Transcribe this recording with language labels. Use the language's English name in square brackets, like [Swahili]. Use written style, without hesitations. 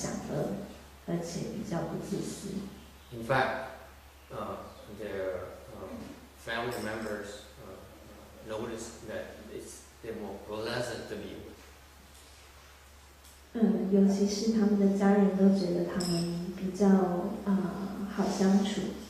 [Chinese] 他们最大的不同呢，是他们变得比较不会沉溺于自我的这个享乐，而且比较不自私。 [English] In fact, their family members notice that it's they're more pleasant to be with. [Chinese] 尤其是他们的家人都觉得他们比较好相处。